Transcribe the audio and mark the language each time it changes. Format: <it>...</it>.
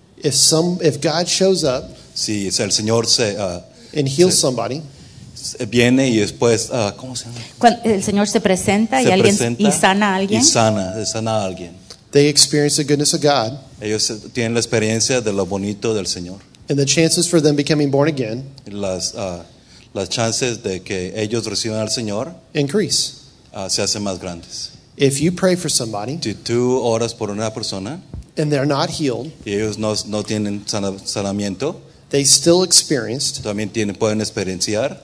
<en>If God shows up,</en> <es>si el Señor se</es> <en>and heals somebody,</en> <es>viene y después ¿cómo se llama? Cuando el Señor se presenta se y alguien y sana a alguien. Y sana a alguien.</es> <en>They experience the goodness of God.</en> <es>Ellos tienen la experiencia de lo bonito del Señor.</es> <en>And the chances for them becoming born again,</en> <es>las chances de que ellos reciban al Señor,</es> <en>increase.</en> <es>Se hacen más grandes.</es> <en>If you pray for somebody,</en> <es>si tú oras por una persona,</es> <en>and they're not healed,</en> <es>y ellos no tienen sanamiento,</es> <en>they still experienced,</en> <es>también pueden experienciar,</es>